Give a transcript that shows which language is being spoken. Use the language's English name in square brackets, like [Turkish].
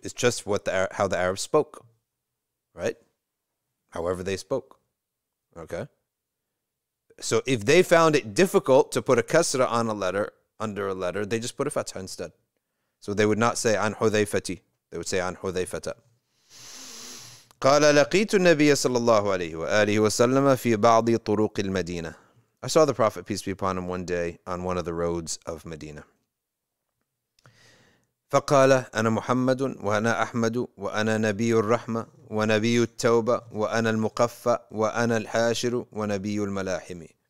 [English] It's just how the Arabs spoke, right? However they spoke, okay? So if they found it difficult to put a kasra on a letter, under a letter, they just put a fatha instead. So they would not say [Arabic] an hudhayfati. [English] They would say [Arabic] an hudhayfata. قال لقيت النبي صلى الله عليه وآله وسلم في بعض طرق المدينة. [English] I saw the Prophet, peace be upon him, one day on one of the roads of Medina. [Arabic] فَقَالَ أَنَا مُحَمَّدٌ وَأَنَا أَحْمَدُ وَأَنَا نَبِيُّ الرَّحْمَةِ وَنَبِيُّ التَّوْبَةِ وَأَنَا الْمُقَفَّةِ وَأَنَا الْحَاشِرُ وَنَبِيُّ الْمَلَاحِمِ.